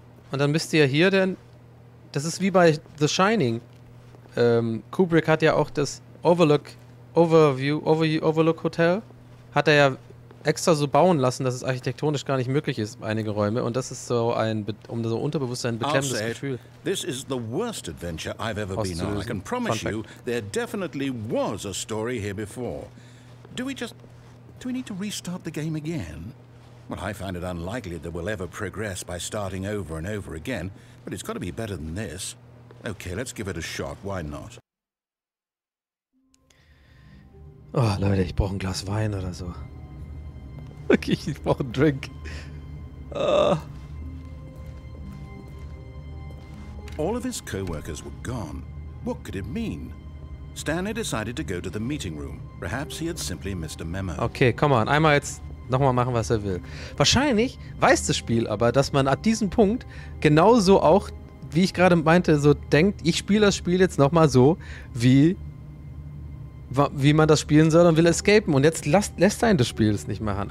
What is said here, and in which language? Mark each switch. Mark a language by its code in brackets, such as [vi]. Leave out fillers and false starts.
[de] Und dann müsste ja hier denn... Das ist wie bei The Shining. Kubrick hat ja auch das Overlook Hotel. Hat er ja extra so bauen lassen, dass es architektonisch gar nicht möglich ist, einige Räume. Und das ist so ein, um so Unterbewusstsein ein beklemmendes Gefühl. [en] This is the worst adventure I've ever been on. I can promise you, there definitely was a story here before. Do we need to restart the game again? Well, I find it unlikely that we'll ever progress by starting over and over again. But it's got to be better than this. Okay, let's give it a shot. Why not? [de] Oh, Leute, ich brauche ein Glas Wein oder so. Okay, ich brauche einen Drink. [en] All of his co-workers were gone. What could it mean? Stanley decided to go to the meeting room. Perhaps he had simply missed a memo. [de] Okay, [en] come on. [de] Einmal jetzt nochmal machen, was er will. Wahrscheinlich weiß das Spiel aber, dass man ab diesem Punkt genauso auch, wie ich gerade meinte, so denkt, ich spiele das Spiel jetzt nochmal so, wie man das spielen soll und will escapen. Und jetzt lässt er einen das Spiel es nicht machen.